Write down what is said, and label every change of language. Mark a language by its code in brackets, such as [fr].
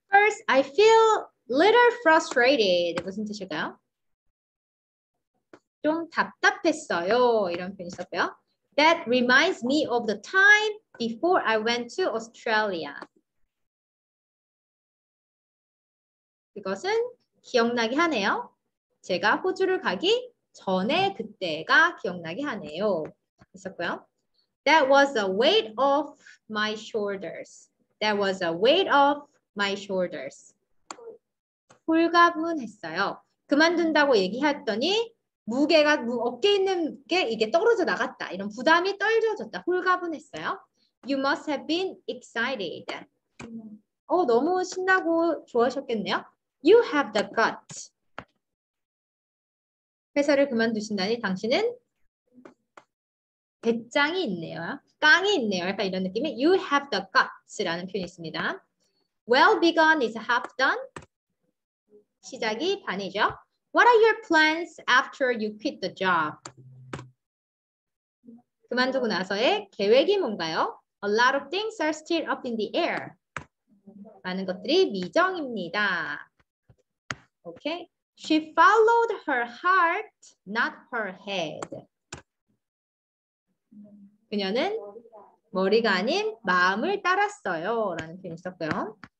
[en] first, I feel little frustrated. [ko] 무슨 뜻일까요? 좀 답답했어요. 이런 표현이 있었고요. [en] That reminds me of the time before I went to Australia. [ko] 이것은 기억나게 하네요. 제가 호주를 가기 전에 그때가 기억나게 하네요. 있었고요. [en] That was a weight off my shoulders. That was a weight off my shoulders. [ko] 홀가분했어요. 그만둔다고 얘기했더니 무게가 어깨에 있는 게 이게 떨어져 나갔다. 이런 부담이 떨어졌다. 홀가분했어요. [en] You must have been excited. [ko] 너무 신나고 좋아하셨겠네요. [en] You have the guts. [ko] 회사를 그만두신다니 당신은 배짱이 있네요. 깡이 있네요. 약간 이런 느낌의 [en] You have the guts [ko] 라는 표현이 있습니다. [en] Well begun is half done. [ko] 시작이 반이죠. [en] What are your plans after you quit the job? [ko] 그만두고 나서의 계획이 뭔가요? [en] A lot of things are still up in the air. [ko] 많은 것들이 미정입니다. [en] Okay. She followed her heart, not her head. [ko] 그녀는 머리가 아닌 마음을 따랐어요. 라는 표현이 있었고요.